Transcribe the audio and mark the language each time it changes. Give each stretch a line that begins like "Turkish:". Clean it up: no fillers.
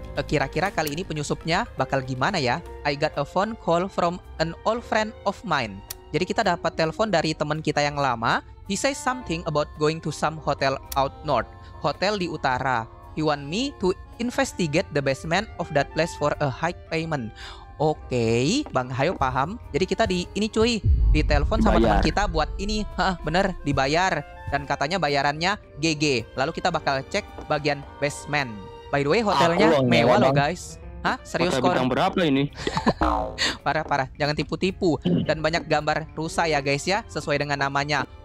Indonesian: Kira-kira kali ini penyusupnya bakal gimana ya?
English: I got a phone call from an old friend of mine.
Indonesian: Jadi kita dapat telepon dari teman kita yang lama.
English: He say something about going to some hotel out north.
Indonesian: Hotel di utara.
English: He want me to investigate the basement of that place for a high payment.
Indonesian: Okay, Bang Hayo paham. Jadi kita di ini cuy, ditelepon sama teman kita buat ini, bener dibayar dan katanya bayarannya GG. Lalu kita bakal cek bagian basement.
English: By the way,
Indonesian: hotelnya mewah loh guys.
English: Hah, serius kok?
Indonesian: Bintang berapa ini? Parah, jangan tipu-tipu dan banyak gambar rusa ya guys ya, sesuai dengan namanya.